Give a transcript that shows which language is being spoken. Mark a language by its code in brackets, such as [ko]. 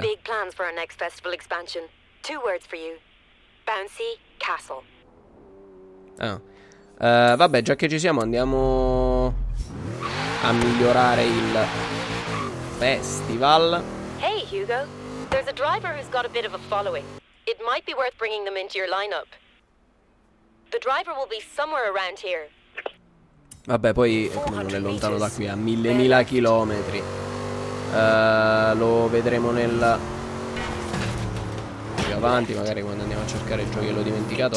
[en] big plans for our next festival expansion. Two words for you. Bouncy castle. Ah. [it] Vabbè, già che ci siamo, andiamo a migliorare il festival. [en] Hey Hugo, there's a driver who's got a bit of a following. It might be worth bringing them into your lineup. The driver will be somewhere around here. [it] Vabbè, poi come non è lontano da qui, a 1000 chilometri. Lo vedremo più avanti, magari quando andiamo a cercare il gioiello dimenticato.